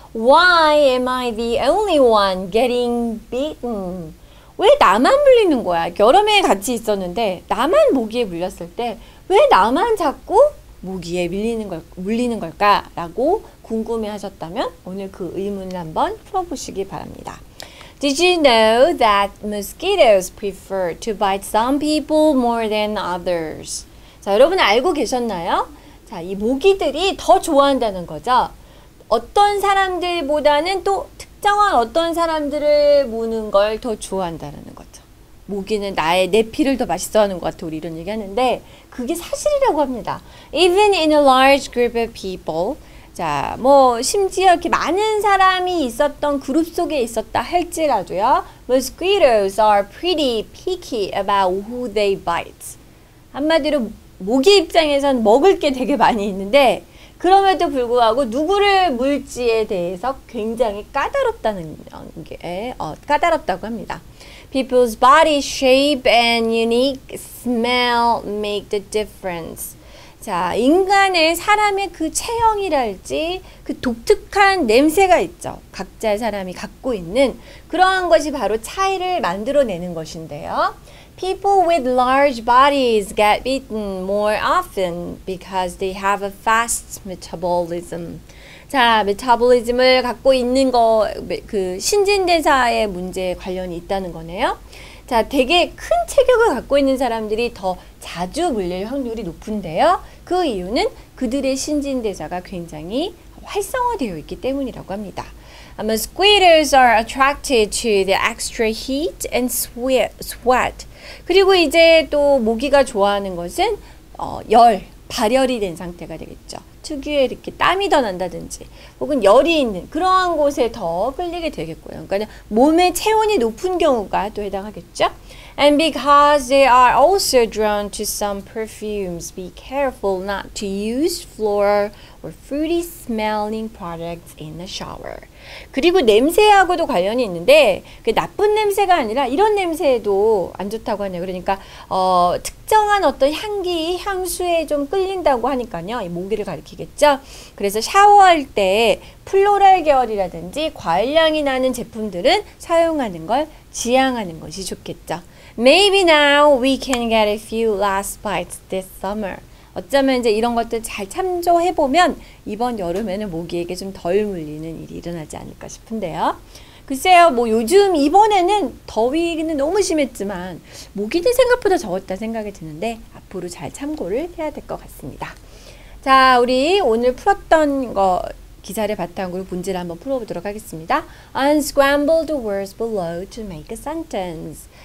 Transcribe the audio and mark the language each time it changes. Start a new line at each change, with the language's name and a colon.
English: Why am I the only one getting bitten?
Korean: 왜 나만 물리는 거야? 여름에 같이 있었는데 나만 모기에 물렸을 때 왜 나만 자꾸 모기에 물리는 걸까? 라고 궁금해하셨다면 오늘 그 의문을 한번 풀어보시기 바랍니다.
English: Did you know that mosquitoes prefer to bite some people more than others?
Korean: 자, 여러분 알고 계셨나요? 자, 이 모기들이 더 좋아한다는 거죠. 어떤 사람들보다는 또 특정한 어떤 사람들을 무는 걸 더 좋아한다는 거죠. 모기는 나의 내 피를 더 맛있어 하는 것 같아, 우리 이런 얘기하는데 그게 사실이라고 합니다.
English: Even in a large group of people,
Korean: 자, 뭐 심지어 이렇게 많은 사람이 있었던 그룹 속에 있었다 할지라도요,
English: mosquitoes are pretty picky about who they bite.
Korean: 한마디로 모기 입장에선 먹을 게 되게 많이 있는데 그럼에도 불구하고 누구를 물지에 대해서 굉장히 까다롭다는 게 까다롭다고 합니다.
English: People's body shape and unique smell make the difference.
Korean: 자, 인간의 사람의 그 체형이랄지 그 독특한 냄새가 있죠. 각자 사람이 갖고 있는 그러한 것이 바로 차이를 만들어내는 것인데요.
English: People with large bodies get bitten more often because they have a fast metabolism.
Korean: 자, 메타볼리즘을 갖고 있는 거, 그 신진대사의 문제에 관련이 있다는 거네요. 자, 되게 큰 체격을 갖고 있는 사람들이 더 자주 물릴 확률이 높은데요. 그 이유는 그들의 신진대사가 굉장히 활성화되어 있기 때문이라고 합니다.
English: Mosquitoes are attracted to the extra heat and sweat.
Korean: 그리고 이제 또 모기가 좋아하는 것은 열, 발열이 된 상태가 되겠죠. 특유의 이렇게 땀이 더 난다든지 혹은 열이 있는 그러한 곳에 더 끌리게 되겠고요. 그러니까 몸의 체온이 높은 경우가 또 해당하겠죠.
English: And because they are also drawn to some perfumes, be careful not to use floral or fruity smelling products in the shower.
Korean: 그리고 냄새하고도 관련이 있는데 그 나쁜 냄새가 아니라 이런 냄새도 안 좋다고 하네요. 그러니까 특정한 어떤 향기, 향수에 좀 끌린다고 하니까요. 이 모기를 가리키겠죠. 그래서 샤워할 때 플로럴 계열이라든지 과일향이 나는 제품들은 사용하는 걸 지양하는 것이 좋겠죠.
English: Maybe now we can get a few last bites this summer.
Korean: 어쩌면 이제 이런 것들 잘 참조해보면 이번 여름에는 모기에게 좀 덜 물리는 일이 일어나지 않을까 싶은데요. 글쎄요, 뭐 요즘 이번에는 더위는 너무 심했지만 모기는 생각보다 적었다 생각이 드는데 앞으로 잘 참고를 해야 될 것 같습니다. 자, 우리 오늘 풀었던 거 기사를 바탕으로 문제를 한번 풀어보도록 하겠습니다.
English: Unscramble the words below to make a sentence.